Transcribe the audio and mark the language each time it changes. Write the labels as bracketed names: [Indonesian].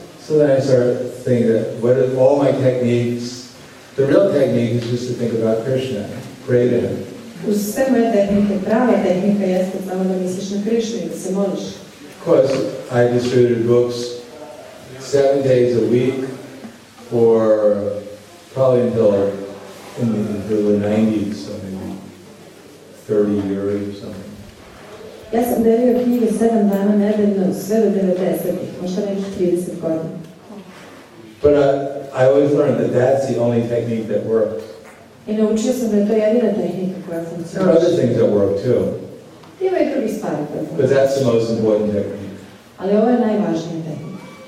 [English] So then I started thinking that what are all my techniques, the real technique is just to think about Krishna, pray to Him. Of course, I distributed books 7 days a week for probably until the 90s, so maybe 30 years or something. [Serbian] Ja sam delio knjige 7 dana nedeljno sve do 90-ih, možda neki 30 godina. [English] But I always learned that that's the only technique that works. [Serbian] I naučio sam da je to jedina tehnika koja funkcionira. [English] There are other things that work too. [Serbian] Ima i drugi stvari koje funkcionira. [English] But that's the most important technique. [Serbian] Ali ovo je najvažnija tehnika.